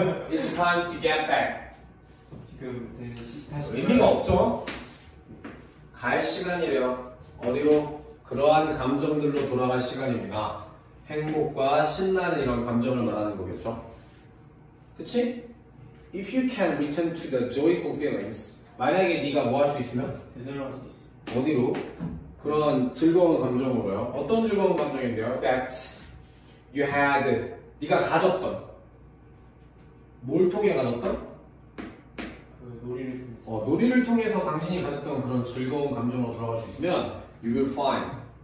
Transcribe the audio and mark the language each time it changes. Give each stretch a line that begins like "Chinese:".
English: It's time to get back.
Korean: 지금 다시 의미가 없죠. 갈 시간이래요. 어디로? 그러한 감정들로 돌아갈 시간입니다. 행복과 신나는 이런 감정을 말하는 거겠죠. 그치?
English: If you can return to the joyful feelings,
Korean: 만약에 네가 뭐 할 수 있으면? 되돌아갈 수 있어. 어디로? 그런 즐거운 감정으로요. 어떤 즐거운 감정인데요?
English: That you had,
Korean: 네가 가졌던. 뭘 통해 가졌던? 그 놀이를 통해서. 어, 놀이를 통해서 당신이 가졌던 그런 즐거운 감정으로 돌아갈 수 있으면
English: You will find.